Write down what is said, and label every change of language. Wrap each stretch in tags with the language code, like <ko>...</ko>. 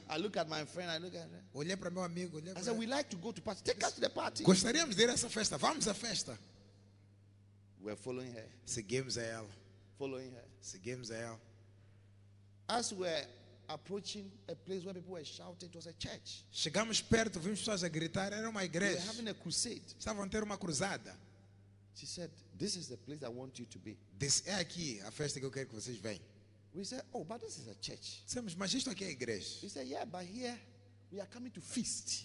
<en>I look at my friend, I look at her.</en> <pt>Olhei para meu amigo, olhei</pt> <en>I said, we like to go to party. Take us to the party.</en> <pt>Gostaríamos de ir a essa festa. Vamos à festa.</pt> <en>We're following her.</en> <pt>Seguimos a ela.</pt> <en>Following her.</en> <pt>Seguimos a ela.</pt> <en>As we're approaching a place where people were shouting, it was a church.</en> <pt>Chegamos perto, vimos pessoas a gritar, era uma igreja.</pt> <en>They were having a crusade.</en> <pt>Estavam a ter uma cruzada.</pt> <en>She said, "This is the place I want you to be."</en> <pt>Diz, é aqui a festa que eu quero que vocês venham.</pt> <en>We said, "Oh, but this is a church."</en> <pt>Dizemos, mas isto aqui é a igreja.</pt> <en>He said, "Yeah, but here we are coming to feast."</en>